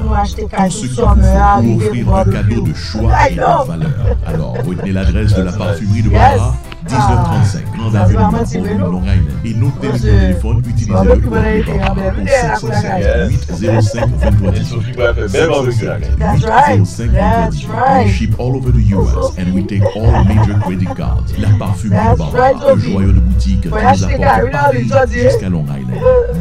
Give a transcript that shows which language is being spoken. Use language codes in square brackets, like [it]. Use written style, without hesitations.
[fr] Pour offrir un cadeau de choix et de valeur. Alors, retenez l'adresse de la parfumerie de Barbara. 19h35, Grand Avenue de Montpellier, Long Island. Et notez le téléphone, utilisez le code de Barbara au 707-805-2318. [en] We ship all over the US and we take all major credit cards. [fr] La parfumerie de Barbara, le joyau de boutique qui nous apporte Paris jusqu'à Long Island.